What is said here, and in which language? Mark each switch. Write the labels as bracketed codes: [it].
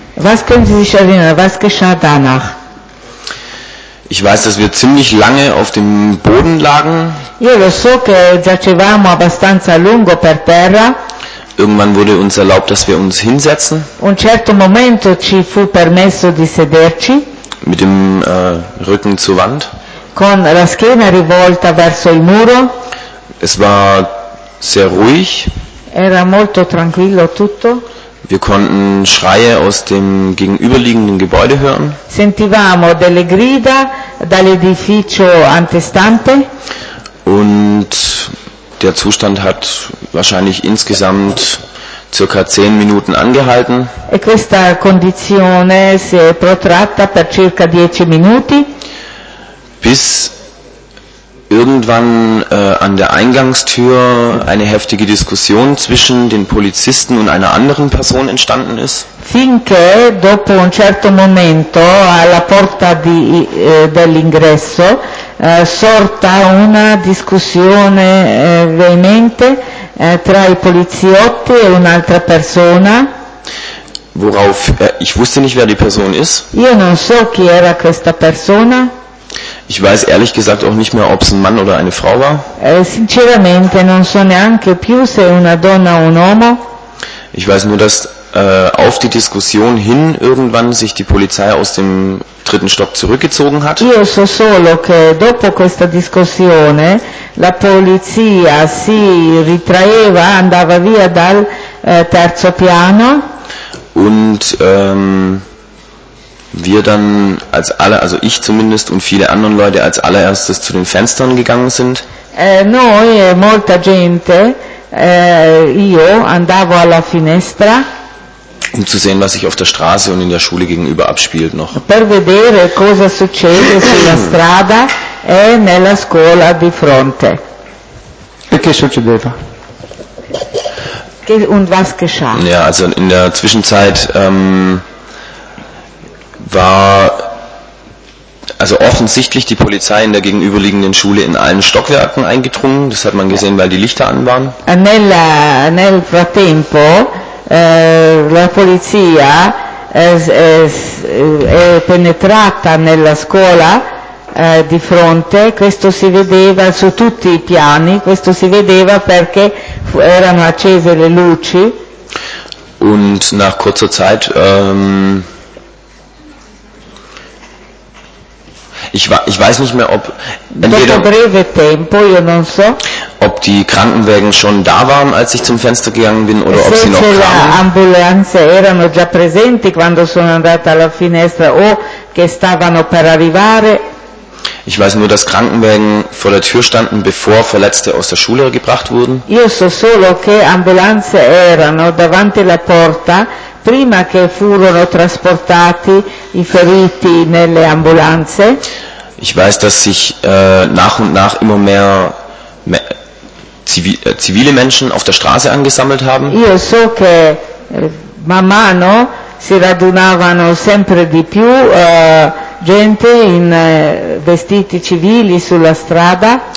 [de] Was können Sie sich erinnern? Was geschah danach? Ich weiß, dass wir ziemlich lange auf dem Boden lagen. [it] Io lo so che giacevamo abbastanza lungo per terra. [de] Irgendwann wurde uns erlaubt, dass wir uns hinsetzen. [it] Un certo momento ci fu permesso di sederci. [de] Mit dem Rücken zur Wand. [it] Con la schiena rivolta verso il muro. [de] Es war sehr ruhig. [it] Era molto tranquillo tutto. [de] Wir konnten Schreie aus dem gegenüberliegenden Gebäude hören. [it] Sentivamo delle grida dall'edificio antestante. [de] Und der Zustand hat wahrscheinlich insgesamt circa 10 Minuten angehalten. [it] E questa condizione si è protratta per circa 10 minuti. [de] Bis irgendwann an der Eingangstür eine heftige Diskussion zwischen den Polizisten und einer anderen Person entstanden ist. [it] Finché dopo un certo momento alla porta di dell'ingresso sorta una discussione veemente tra i poliziotti e un'altra persona. [de] Worauf ich wusste nicht, wer die Person ist. [it] Io non so chi era questa persona. [de] Ich weiß ehrlich gesagt auch nicht mehr, ob es ein Mann oder eine Frau war. [it] Sinceramente non so neanche più se una donna o un uomo. [de] Ich weiß nur, dass auf die Diskussion hin irgendwann sich die Polizei aus dem dritten Stock zurückgezogen hat. [it] Io so solo che dopo questa discussione la polizia si ritraeva, andava via dal terzo piano. [de] Und wir dann als alle, also ich zumindest und viele andere Leute als allererstes zu den Fenstern gegangen sind. [it] Noi e molta gente, io andavo alla finestra. [de] Um zu sehen, was sich auf der Straße und in der Schule gegenüber abspielt noch. [it] Per vedere cosa succede sulla strada e nella scuola di fronte. E che succedeva? [de] Und was geschah? Ja, also in der Zwischenzeit war also offensichtlich die Polizei in der gegenüberliegenden Schule in allen Stockwerken eingedrungen. Das hat man gesehen, weil die Lichter an waren. [it] Nel frattempo la polizia è penetrata nella scuola di fronte. Questo si vedeva su tutti i piani. Questo si vedeva perché erano accese le luci. [de] Und nach kurzer Zeit ich weiß nicht mehr, ob entweder, [it] breve tempo, io non so, [de] ob die Krankenwagen schon da waren, als ich zum Fenster gegangen bin, oder ob sie noch kamen. [it] Se le ambulanze erano già presenti quando sono andata alla finestra o che stavano per arrivare. [de] Ich weiß nur, dass Krankenwagen vor der Tür standen, bevor Verletzte aus der Schule gebracht wurden. [it] Io so solo che ambulanze erano davanti alla porta prima che furono trasportati i feriti nelle ambulanze. [de] Ich weiß, dass sich nach und nach immer mehr zivile Menschen auf der Straße angesammelt haben. [it] Io so che man mano si radunavano sempre di più gente in vestiti civili sulla strada,